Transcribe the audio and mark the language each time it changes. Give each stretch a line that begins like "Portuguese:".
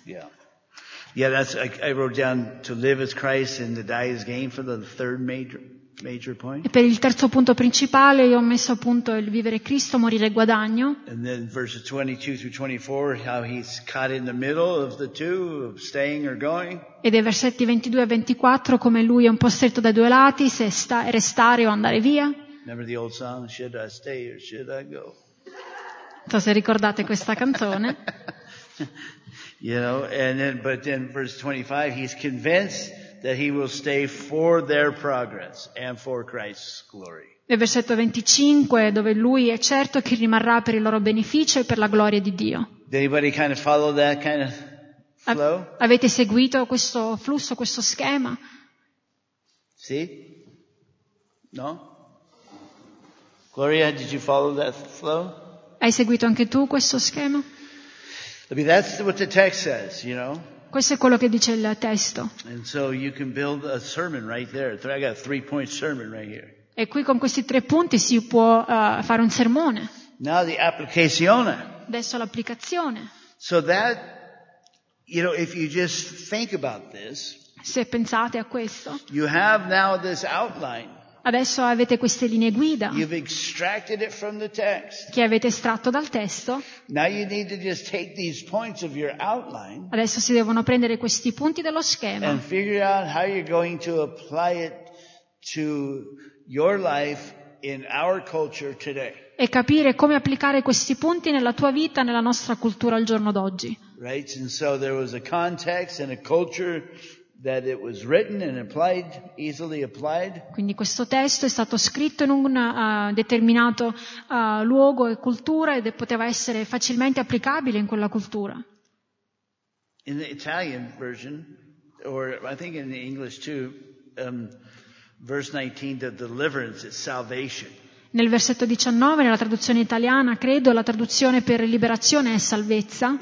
English: Yeah, that's I wrote down to live as Christ and to die as gain for the third major point.
Italian: E per il terzo punto principale io ho messo appunto il vivere Cristo, morire guadagno.
English: And then verses 22 through 24, how he's caught in the middle of the two, of staying or going.
Italian: E dei versetti 22 e 24 come lui è un po' stretto dai due lati, se restare o andare via.
English: Remember the old song, should I stay or should I go?
Italian: Non so se ricordate questa canzone.
English: You know, and then, but then verse 25, he's convinced that he will stay for their progress and for Christ's glory.
Italian: Nel versetto 25, dove lui è certo che rimarrà per il loro beneficio e per la gloria di Dio.
English: Anybody kind of follow that kind of flow?
Italian: Avete seguito questo flusso, questo schema? Sì? No?
English: Gloria, did you follow that flow?
Italian: Hai seguito anche tu questo schema?
English: I mean, that's what the text says, you know?
Italian: Questo è quello che dice il testo.
English: And so you can build a sermon right there. I got a 3-point sermon right here.
Italian: E qui con questi tre punti si può fare un sermone.
English: Now the applicazione.
Italian: Adesso l'applicazione.
English: So that, you know, if you just think about this,
Italian: se pensate a questo,
English: you have now this outline.
Italian: Adesso avete queste linee guida.
English: You've extracted it from the text.
Italian: Che avete estratto dal testo.
English: Now you need to just take these points of your outline.
Italian: Adesso si devono prendere questi punti dello schema.
English: And figure out how you're going to apply it to your life in our culture today.
Italian: E capire come applicare questi punti nella tua vita, nella nostra cultura al giorno d'oggi.
English: Right, and so there was a context and a culture that it was written and applied, easily applied.
Italian: Quindi questo testo è stato scritto in un determinato luogo e cultura ed poteva essere facilmente applicabile in quella cultura.
English: In the Italian version, or I think in the English too, verse 19, the deliverance is salvation.
Italian: Nel versetto 19, nella traduzione italiana, credo la traduzione per liberazione è salvezza.